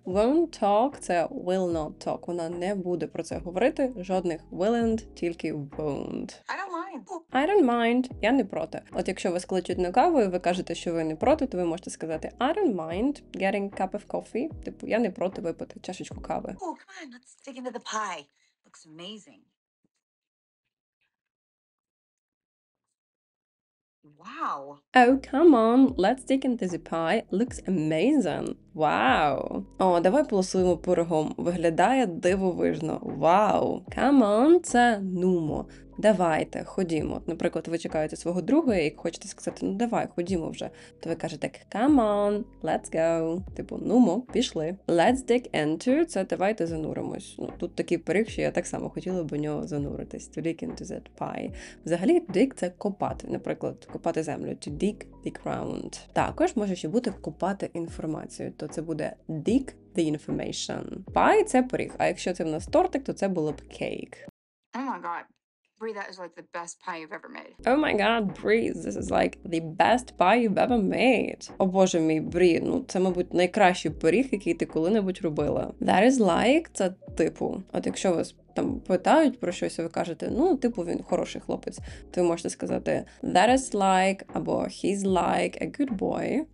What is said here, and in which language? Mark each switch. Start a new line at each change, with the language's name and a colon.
English: Won't talk –
Ukrainian: це
English: will not talk.
Ukrainian: Вона не буде про це говорити. Жодних willn't, тільки won't.
English: I don't mind.
Ukrainian: Я не проти. От якщо вас кличуть на каву і ви кажете, що ви не проти, то ви можете сказати
English: I don't mind getting a cup of coffee.
Ukrainian: Типу, я не проти випити чашечку кави.
English: Oh, come on, let's dig into the pie. Looks amazing. Wow. Oh, come on, let's dig into the pie. Looks amazing. Wow.
Ukrainian: О, давай полосуємо пирогом. Виглядає дивовижно. Wow.
English: Come on,
Ukrainian: це нумо. Давайте, ходімо. Наприклад, ви чекаєте свого друга, і хочете сказати, ну давай, ходімо вже. То ви кажете,
English: come on, let's go.
Ukrainian: Типу, нумо, пішли.
English: Let's dig into,
Ukrainian: це давайте зануримось. Ну, тут такий пиріг, що я так само хотіла б у нього зануритись.
English: To dig into that pie.
Ukrainian: Взагалі, dig – це копати. Наприклад, копати землю.
English: To dig the ground.
Ukrainian: Також може ще бути копати інформацію. То це буде
English: dig the information.
Ukrainian: Pie – це пиріг. А якщо це в нас тортик, то це було б cake.
English: Oh my God. Brie, that is like the best pie you've ever made. Oh my God, Brie, this is like the best pie you've ever made.
Ukrainian: О, Боже мій, Брі, ну це, мабуть, найкращий пиріг, який ти коли-небудь робила. That is like – це типу. От якщо вас там питають про щось, і ви кажете, ну, типу, він хороший хлопець, то ви можете сказати
English: that is like
Ukrainian: або
English: he's like a good boy.